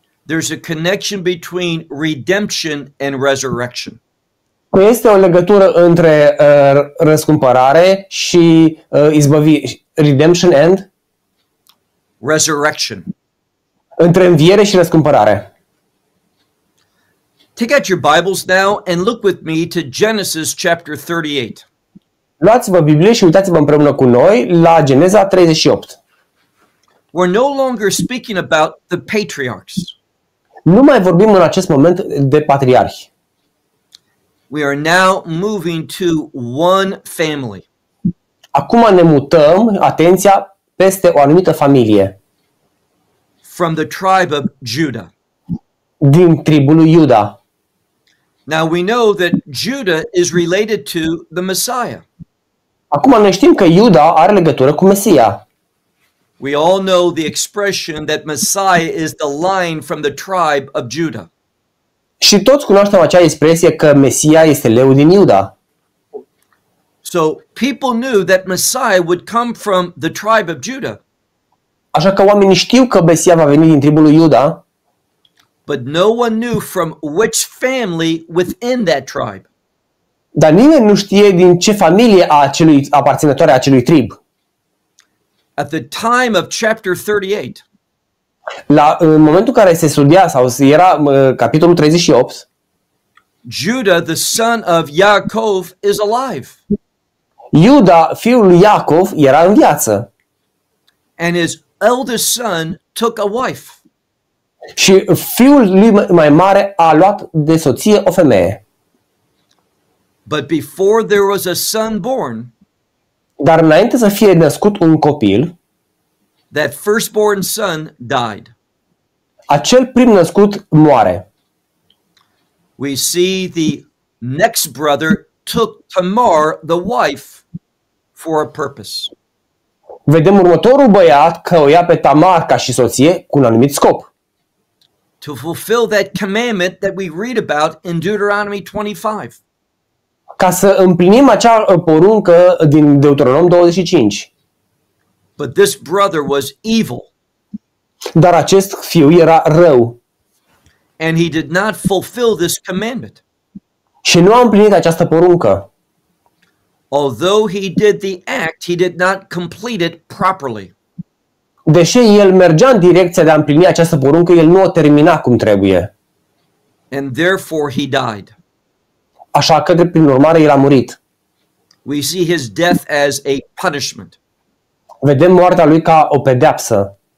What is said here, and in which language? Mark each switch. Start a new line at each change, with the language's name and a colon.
English: there's a connection between redemption and resurrection.
Romanian: Este o legătură între răscumpărare și
English: redemption and resurrection.
Romanian: Între înviere și răscumpărare.
English: Take out your Bibles now and look with me to Genesis chapter 38.
Romanian: Luați-vă Biblie și uitați-vă împreună cu noi la Geneza 38.
English: We're no longer speaking about the patriarchs.
Romanian: Nu mai vorbim în acest moment de patriarhi.
English: We are now moving to one family.
Romanian: Acum ne mutăm, atenția, peste o anumită familie.
English: From the tribe of Judah.
Romanian: Din tribul lui Iuda.
English: Now we know that Judah is related to the Messiah.
Romanian: Acum noi știm că Iuda are legătură cu Mesia.
English: We all know the expression that Messiah is the line from the tribe of Judah.
Romanian: Și toți cunoaștem acea expresie că Mesia este leul din Iuda.
English: So people knew that Messiah would come from the tribe of Judah.
Romanian: Așa că oamenii știu că Mesia va veni din tribul lui Iuda.
English: But no one knew from which family within that tribe.
Romanian: Dar nimeni nu știe din ce familie aparținătoare a acelui trib.
English: At the time of chapter 38.
Romanian: În momentul în care se studia sau era capitolul 38.
English: Judah, the son of Yaakov, is alive.
Romanian: Iuda, fiul lui Iacov, era în viață.
English: And his eldest son took a wife.
Romanian: Și fiul lui mai mare a luat de soție o femeie.
English: But before there was a son born,
Romanian: dar înainte să fie născut un copil,
English: that firstborn son died.
Romanian: Acel prim născut moare.
English: We see the next brother took Tamar, the wife, for a purpose.
Romanian: Vedem următorul băiat că o ia pe Tamar ca și soție cu un anumit scop.
English: To fulfill that commandment that we read about in Deuteronomy 25.
Romanian: Ca să împlinim acea poruncă din Deuteronom 25.
English: But this brother was evil.
Romanian: Dar acest fiu era rău.
English: And he did not fulfill this commandment.
Romanian: Și nu a împlinit această poruncă.
English: Although he did the act, he did not complete it properly.
Romanian: deși el mergea în direcția de a împlini această poruncă, el nu o termina cum trebuie.
English: And therefore he died.
Romanian: Așa că, prin urmare, el a murit.
English: We see his death as a punishment.
Romanian: Vedem moartea lui ca o pedeapsă.